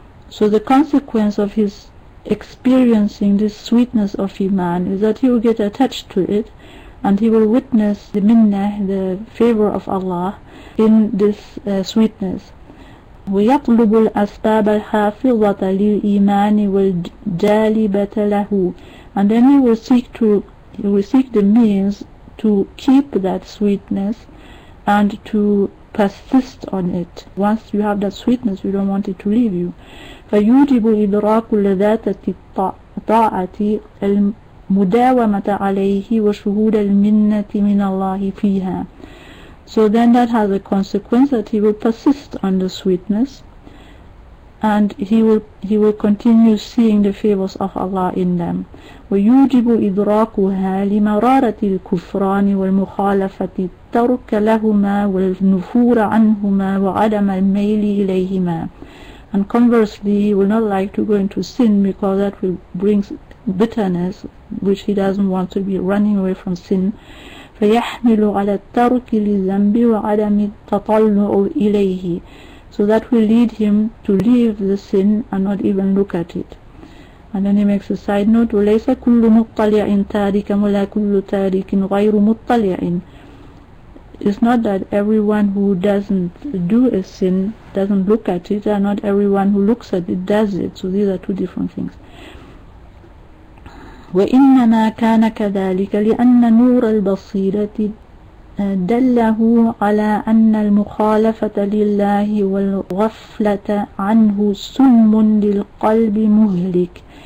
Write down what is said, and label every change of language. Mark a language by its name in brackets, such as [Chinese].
[English] So the consequence of his experiencing this sweetness of Iman is that he will get attached to it and he will witness the minnah, the favor of Allah in this sweetness. [Arabic] ويطلب الأسباب الحافظة للإيمان والجالبة له. [English] And then he will seek the means to keep that sweetness and to persist on it. Once you have that sweetness, you don't want it to leave you. [Arabic] فَيُوجِبُ إِدْرَاكُ لَذَاتَةِ الطَّاعَةِ الْمُدَاوَمَةَ عَلَيْهِ وَشُهُودَ الْمِنَّةِ مِنَ اللَّهِ فِيهَا. [English] So then that has a consequence that he will persist on the sweetness and he will continue seeing the favors of Allah in them. [Arabic] وَيُوجِبُ إِدْرَاكُهَا لِمَرَارَةِ الْكُفْرَانِ وَالْمُخَالَفَةِ تَرْكَ لَهُمَا وَالْنُفُورَ عَنْهُمَا وَعَدَمَ الْمَيْلِ إِلَيْهِمَا. [English] And conversely, he will not like to go into sin because that will bring bitterness, which he doesn't want to be running away from sin. [Arabic] فَيَحْمِلُ عَلَى التَّرْكِ لِلْذَنْبِ وَعَدَمِ التَّطَلُّعُ إِلَيْهِ. [English] So that will lead him to leave the sin and not even look at it. And then he makes a side note, [Arabic] وَلَيْسَ كُلُّ مُطَّلِعٍ تَارِكًا وَلَا كُلُّ تَارِكٍ غَيْرُ مُطَّلِعٍ. [English] It's not that everyone who doesn't do a sin doesn't look at it, and not everyone who looks at it does it. So these are two different things. [Arabic] وَإِنَّمَا كَانَ كَذَلِكَ لِأَنَّ نُورَ الْبَصِيرَةِ دَلَّهُ عَلَى أَنَّ الْمُخَالَفَةَ لِلَّهِ وَالْغَفْلَةَ عَنْهُ سُمٌّ لِلْقَلْبِ مُهْلِكٌ.